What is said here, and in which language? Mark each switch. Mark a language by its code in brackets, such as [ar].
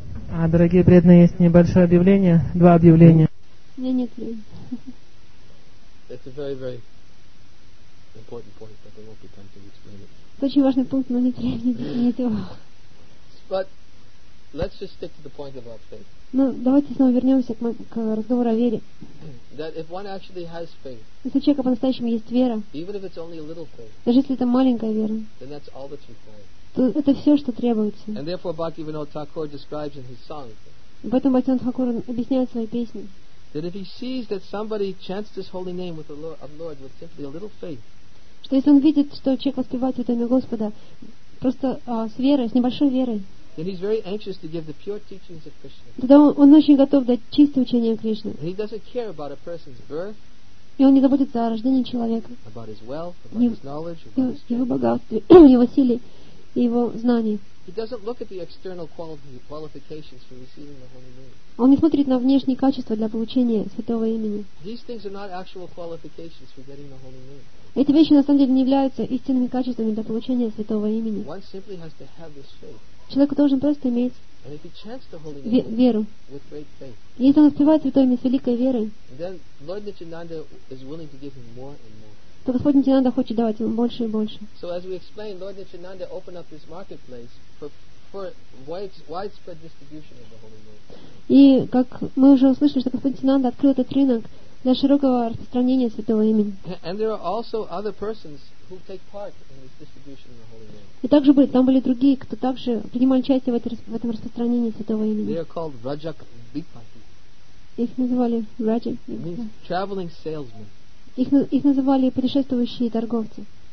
[ru] А, дорогие преданные, есть небольшое объявление, два объявления. [en] It's a very, very important point, but there won't be time to explain it. It's [ru] очень важный пункт, но не требует. [en] But let's just stick to the point about faith. [ru] Ну, давайте снова вернемся к разговору о вере. [en] That if one actually has faith, [ru] если у человека по-настоящему есть вера, [en] even if it's only a little faith, [ru] даже если это маленькая вера, [en] then that's all that's required. [ru] То это все, что требуется. [en] And therefore, Bhaktivinoda Thakur describes in his song. [ru] В этом Бхактивинода Тхакур объясняет в своей песне. [en] That if he sees that somebody chants this holy name with the Lord, of Lord with simply a little faith, [ru] что если он видит, что человек воспевает это имя Господа просто с верой, с небольшой верой, [en] then he's very anxious to give the pure teachings of Krishna. [ru] Тогда он очень готов дать чистое учение Кришны. [en] And he doesn't care about a person's birth. [ru] И он не заботится о рождении человека. [en] About his wealth, about his knowledge, about [ru] его богатстве, его силе и его знании. [en] He doesn't look at the external qualifications for receiving the holy name. [ru] Он не смотрит на внешние качества для получения святого имени. [en] These things are not actual qualifications for getting the holy name. [ru] Эти вещи на самом деле не являются истинными качествами для получения святого имени. [en] One simply has to have this faith. [ru] Человек должен просто иметь [en] And if he chants the holy name [ru] веру. [en] With great faith. [ru] Если он воспевает святое имя с великой верой, [en] then Lord Nityananda is willing to give him more and more. [ru] То Господь Нитинанда хочет давать ему больше и больше. [en] So as we explained, Lord Nityananda opened up this marketplace for widespread distribution of the holy name. [ru] И как мы уже услышали, что Господь Нитинанда открыл этот рынок для широкого распространения святого имени. [en] And there are also other persons who take part in this distribution of the holy name. [ru] И также были, там были другие, кто также принимали участие в этом распространении святого имени. [en] They are called Rajak Bipati. [ru] Их называли Rajak. [en] Means traveling salesmen. [ru] Их называли путешествующие торговцы.